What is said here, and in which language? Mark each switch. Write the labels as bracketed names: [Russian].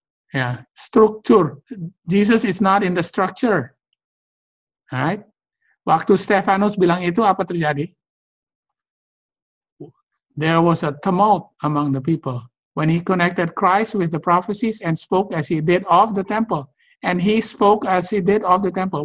[English] Yeah, structure, Jesus is not in the structure. Right? [Indonesian] Waktu Stefanus bilang itu, apa terjadi? [English] There was a tumult among the people. When he connected Christ with the prophecies and spoke as he did of the temple. And he spoke as he did of the temple.